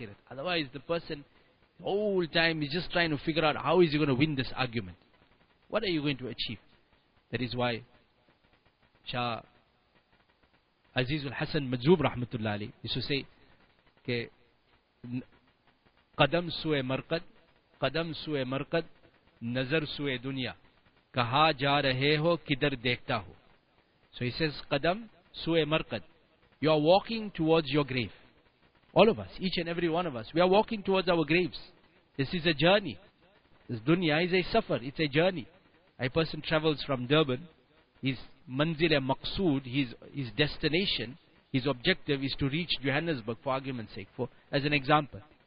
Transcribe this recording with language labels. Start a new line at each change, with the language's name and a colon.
English: Otherwise the person, the whole time is just trying to figure out how is he going to win this argument. What are you going to achieve? That is why Shah Aziz al-Hasan Majzoob Rahmatullah Ali used to say,
Urdu: قدم سوئے مرقد قدم سوئے مرقد نظر سوئے دنیا کہا جا رہے ہو کدھر دیکھتا ہو.
English: So he says,
Urdu: قدم سوئے مرقد.
English: You are walking towards your grave. All of us, each and every one of us, we are walking towards our graves. This is a journey. This dunya is a safar, it's a journey. A person travels from Durban, his manzil maqsood, his destination, his objective is to reach Johannesburg, for argument's sake, as an example.